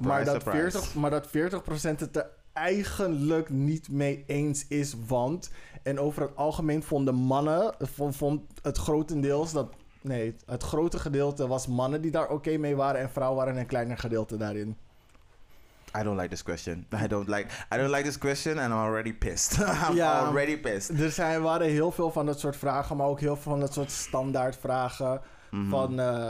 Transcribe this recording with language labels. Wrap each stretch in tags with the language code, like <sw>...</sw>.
<nl>Maar dat 40% het er eigenlijk niet mee eens is. Want, en over het algemeen vonden mannen, vond het grotendeels dat, nee, het grote gedeelte was mannen die daar oké mee waren. En vrouwen waren een kleiner gedeelte daarin.</nl> <en>I don't like this question. I don't like this question and I'm already pissed. I'm already pissed.</en> <nl>Er waren heel veel van dat soort vragen, maar ook heel veel van dat soort standaard vragen. Mm-hmm. Van</nl>